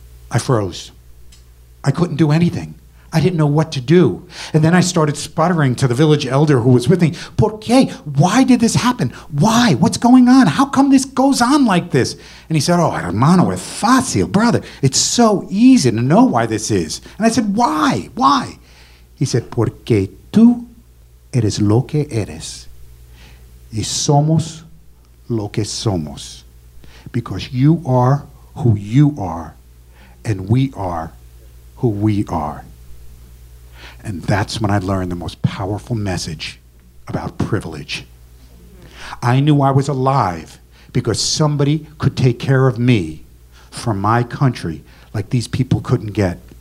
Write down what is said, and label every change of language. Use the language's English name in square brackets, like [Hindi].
[English] I froze. I couldn't do anything. I didn't know what to do. And then I started sputtering to the village elder who was with me. [Spanish] Por qué? [English] Why did this happen? Why? What's going on? How come this goes on like this? And he said, oh, [Spanish] hermano, es fácil, [English] brother. It's so easy to know why this is. And I said, why? Why? He said, [Spanish] porque tú eres lo que eres, y somos lo que somos. [English] Because you are who you are, and we are who we are. And that's when I learned the most powerful message about privilege. I knew I was alive because somebody could take care of me from my country like these people couldn't get.